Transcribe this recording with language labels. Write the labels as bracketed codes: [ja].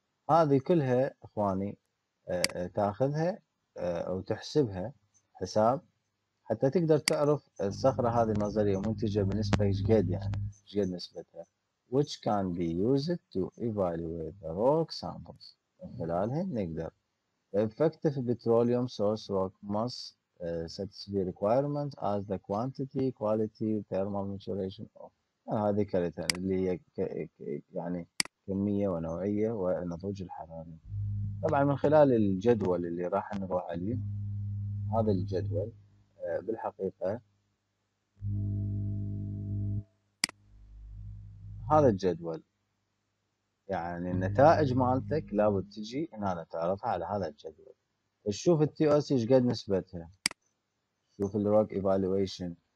[ar] هذه كلها إخواني تاخذها أو تحسبها حساب حتى تقدر تعرف الصخرة هذه النظرية منتجة بنسبة إيش قد، يعني إيش قد نسبتها، [en] which can be used to evaluate the rock samples. [ar] من خلالهم نقدر [en] effective petroleum source rock must satisfy requirements as the quantity, quality, thermal maturation of. [ar] يعني هذه كارثة اللي هي يعني كمية ونوعية والنضوج الحراري. طبعا من خلال الجدول اللي راح نروح عليه، هذا الجدول بالحقيقة، هذا الجدول يعني النتائج مالتك لابد تجي هنا تعرضها على هذا الجدول، تشوف التي او سي ايش قد نسبتها، شوف الروك ايفالويشن.